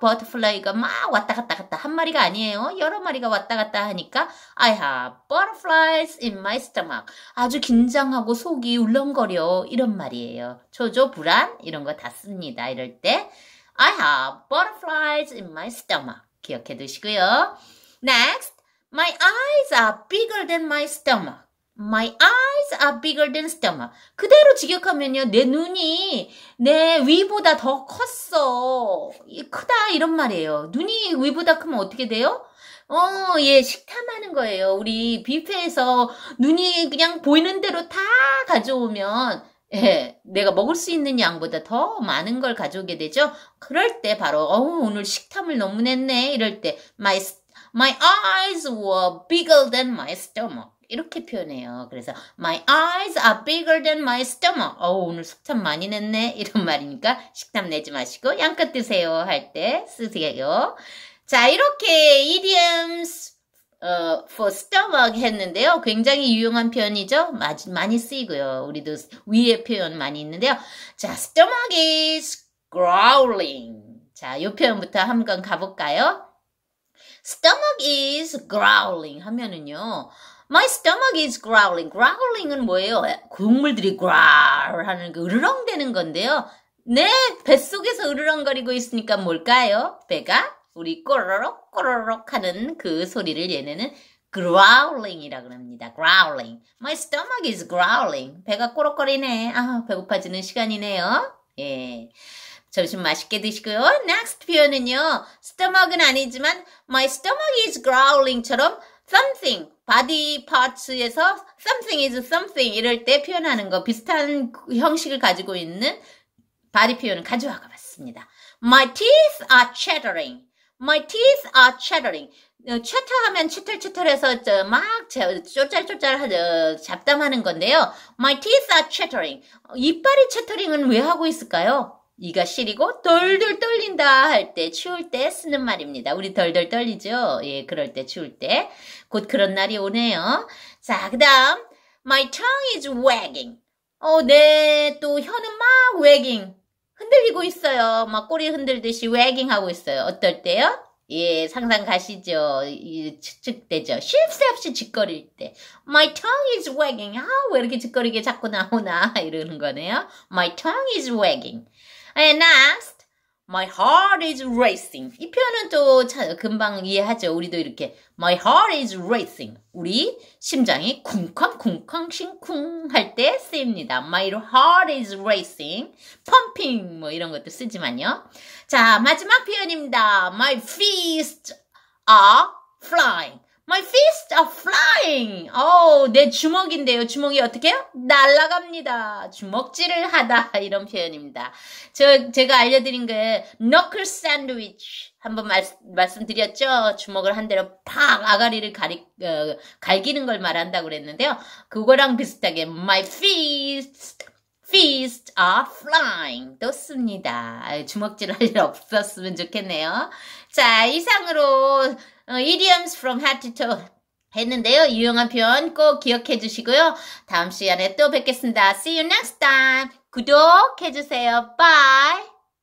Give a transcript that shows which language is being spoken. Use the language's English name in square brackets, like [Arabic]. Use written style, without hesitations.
[Korean] butterfly가 막 왔다 갔다 갔다. 한 마리가 아니에요. 여러 마리가 왔다 갔다 하니까, [English] I have butterflies in my stomach. [Korean] 아주 긴장하고 속이 울렁거려. 이런 말이에요. 초조, 불안, 이런 거다 씁니다. 이럴 때, [English] I have butterflies in my stomach. [Korean] 기억해 두시고요. [English] Next, my eyes are bigger than my stomach. My eyes are bigger than stomach. [Korean] 그대로 직역하면요. 내 눈이 내 위보다 더 컸어. 크다. 이런 말이에요. 눈이 위보다 크면 어떻게 돼요? 예. 식탐하는 거예요. 우리 뷔페에서 눈이 그냥 보이는 대로 다 가져오면, 예. 내가 먹을 수 있는 양보다 더 많은 걸 가져오게 되죠? 그럴 때 바로, 오늘 식탐을 너무 냈네. 이럴 때, [English] my eyes were bigger than my stomach. [Korean] 이렇게 표현해요. 그래서 [English] My eyes are bigger than my stomach. [Korean] 오늘 식탐 많이 냈네. 이런 말이니까 식탐 내지 마시고 양껏 드세요 할때 쓰세요. 자, 이렇게 [English] idioms for stomach [Korean] 했는데요. 굉장히 유용한 표현이죠. 많이 쓰이고요. 우리도 위의 표현 많이 있는데요. [English] 자, stomach is growling. [Korean] 자, 요 표현부터 한번 가볼까요? [English] Stomach is growling [Korean] 하면은요. [English] My stomach is growling. [Korean] Growling은 뭐예요? 국물들이 growl 하는 게 으르렁대는 건데요. 내 뱃속에서 으르렁거리고 있으니까 뭘까요? 배가 우리 꼬르륵 꼬르륵 하는 그 소리를 얘네는 growling이라고 합니다. [English] Growling. My stomach is growling. [Korean] 배가 꼬르륵거리네. 아, 배고파지는 시간이네요. 예. 점심 맛있게 드시고요. Next 표현은요. [English] Stomach은 [Korean] 아니지만 [English] My stomach is growling처럼 something. [Korean] body parts에서 [English] something is something [Korean] 이럴 때 표현하는 거 비슷한 형식을 가지고 있는 바디 표현을 가져와 봤습니다. [English] My teeth are chattering. My teeth are chattering. [Korean] chatter하면 치틀치틀해서 막 쪼짤쪼짤 잡담하는 건데요. [English] My teeth are chattering. [Korean] 이빨이 chattering은 왜 하고 있을까요? 이가 시리고 덜덜 떨린다 할 때, 추울 때 쓰는 말입니다. 우리 덜덜 떨리죠? 예, 그럴 때, 추울 때. 곧 그런 날이 오네요. 자, 그 다음. [English] My tongue is wagging. [Korean] 네, 또 혀는 막 wagging. 흔들리고 있어요. 막 꼬리 흔들듯이 wagging 하고 있어요. 어떨 때요? 예, 상상 가시죠? 추측되죠? 쉴새 없이 짓거릴 때. [English] My tongue is wagging. [Korean] 아, 왜 이렇게 짓거리게 자꾸 나오나? 이러는 거네요. [English] My tongue is wagging. And next, my heart is racing. [Korean] 이 표현은 또 금방 이해하죠? 우리도 이렇게. [English] My heart is racing. [Korean] 우리 심장이 쿵쾅쿵쾅 심쿵 할때 쓰입니다. [English] My heart is racing. Pumping. [Korean] 뭐 이런 것도 쓰지만요. 자, 마지막 표현입니다. [English] My feet are flying. My feet are flying. [Korean] 오, 내 주먹인데요. 주먹이 어떻게 해요? 날아갑니다. 주먹질을 하다. 이런 표현입니다. 제가 알려드린 게, knuckle sandwich. 한번 말씀드렸죠? 주먹을 한 대로 팍! 아가리를 갈기는 걸 말한다고 그랬는데요. 그거랑 비슷하게, [English] my feet are flying. [Korean] 또 씁니다. 주먹질 할일 없었으면 좋겠네요. 자, 이상으로, idioms from head to toe 했는데요. 유용한 표현 꼭 기억해 주시고요. 다음 시간에 또 뵙겠습니다. [English] See you next time. [Korean] 구독해 주세요. [English] Bye.